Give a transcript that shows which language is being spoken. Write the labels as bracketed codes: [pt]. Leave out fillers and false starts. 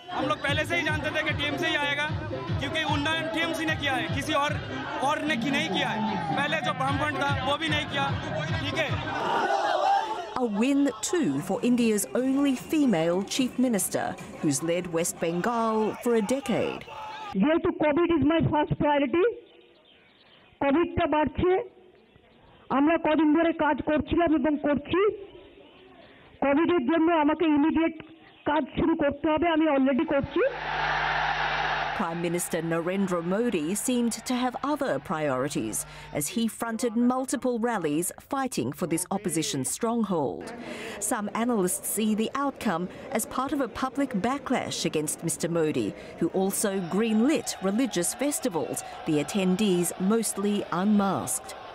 [en] A win, too, for India's only female chief minister, who's led West Bengal for a decade. [bn] যেহেতু [en] covid is my first priority [bn] কোভিডটা বাড়ছে আমরা কদিন ধরে কাজ করছিলাম এবং করছি কোভিডের জন্য আমাকে ইমিডিয়েট কাজ শুরু করতে হবে আমি অলরেডি করছি [en] Prime Minister Narendra Modi seemed to have other priorities as he fronted multiple rallies fighting for this opposition stronghold. Some analysts see the outcome as part of a public backlash against Mr. Modi, who also greenlit religious festivals, the attendees mostly unmasked.